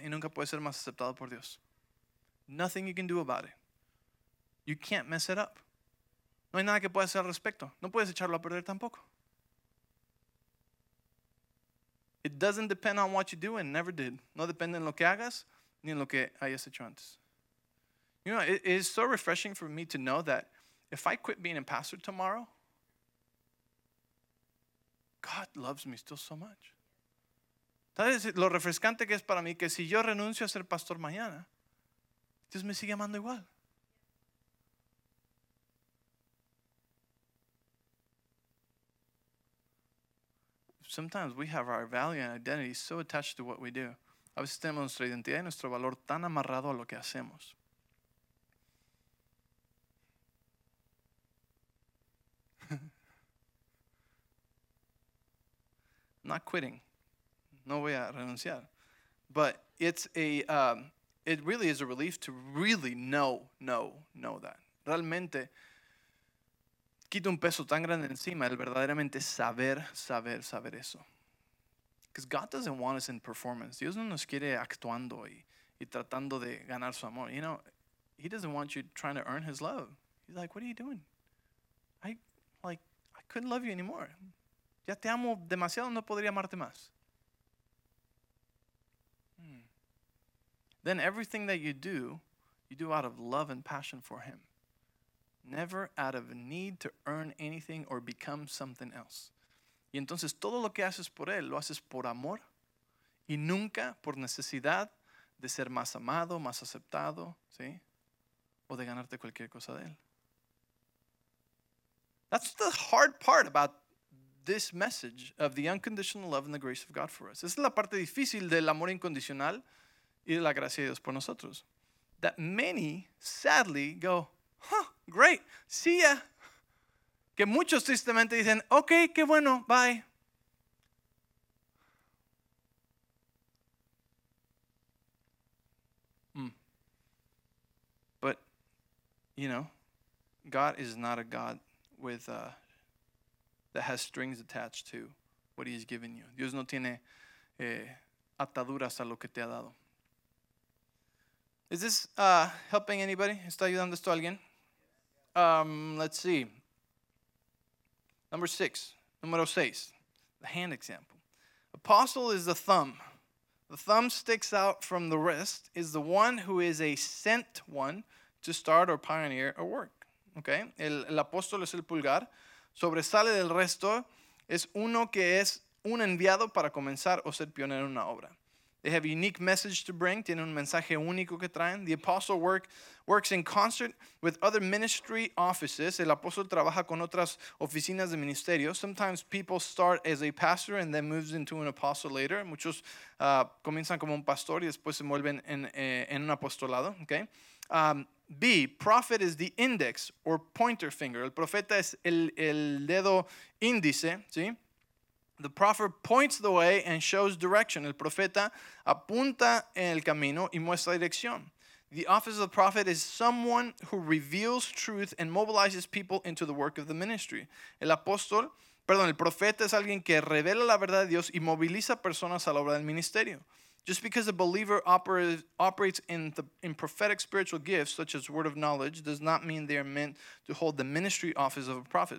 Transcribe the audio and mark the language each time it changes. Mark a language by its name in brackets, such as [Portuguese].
[Spanish] Y nunca puedes ser más aceptado por Dios. [English] Nothing you can do about it. You can't mess it up. [Spanish] No hay nada que puedas hacer al respecto. No puedes echarlo a perder tampoco. [English] It doesn't depend on what you do and never did. [Spanish] No depende en lo que hagas ni en lo que hayas hecho antes. [English] You know, it is so refreshing for me to know that if I quit being a pastor tomorrow, God loves me still so much. [Spanish] ¿Sabes lo refrescante que es para mí que si yo renuncio a ser pastor mañana, Dios me sigue amando igual? [English] Sometimes we have our value and identity so attached to what we do. [Spanish] A veces tenemos nuestra identidad y nuestro valor tan amarrado a lo que hacemos. [English] I'm not quitting. [Spanish] No voy a renunciar. [English] But it's a it really is a relief to really know that. [Spanish] Realmente quita un peso tan grande encima el verdaderamente saber eso. [English] Because God doesn't want us in performance. [Spanish] Dios no nos quiere actuando y tratando de ganar su amor. [English] You know, He doesn't want you trying to earn His love. He's like, what are you doing? I couldn't love you anymore. [Spanish] Ya te amo demasiado, no podría amarte más. [English] Then everything that you do out of love and passion for Him. Never out of need to earn anything or become something else. [Spanish] Y entonces todo lo que haces por Él, lo haces por amor y nunca por necesidad de ser más amado, más aceptado, ¿sí? O de ganarte cualquier cosa de Él. [English] That's the hard part about this message of the unconditional love and the grace of God for us. [Spanish] Esa es la parte difícil del amor incondicional y de la gracia de Dios por nosotros. [English] That many, sadly, go, huh, great, see ya. [Spanish] Que muchos tristemente dicen, okay, qué bueno, bye. [English] But, you know, God is not a God with that has strings attached to what He has given you. [Spanish] Dios no tiene ataduras a lo que te ha dado. [English] Is this helping anybody? [Spanish] ¿Está ayudando esto a alguien? [English] Let's see. [Spanish] Número seis. [English] The hand example. Apostle is the thumb. The thumb sticks out from the wrist, is the one who is a sent one to start or pioneer a work. Okay? [Spanish] El apóstol es el pulgar. Sobresale del resto. Es uno que es un enviado para comenzar o ser pionero en una obra. [English] They have a unique message to bring. [Spanish] Tienen un mensaje único que traen. [English] The apostle works in concert with other ministry offices. [Spanish] El apóstol trabaja con otras oficinas de ministerio. [English] Sometimes people start as a pastor and then moves into an apostle later. [Spanish] Muchos comienzan como un pastor y después se vuelven en un apostolado. [English] Okay? B, prophet is the index or pointer finger. [Spanish] El profeta es el dedo índice, ¿sí? [English] The prophet points the way and shows direction. [Spanish] El profeta apunta el camino y muestra dirección. [English] The office of the prophet is someone who reveals truth and mobilizes people into the work of the ministry. [Spanish] El profeta es alguien que revela la verdad de Dios y moviliza personas a la obra del ministerio. [English] Just because a believer operates in prophetic spiritual gifts, such as word of knowledge, does not mean they are meant to hold the ministry office of a prophet.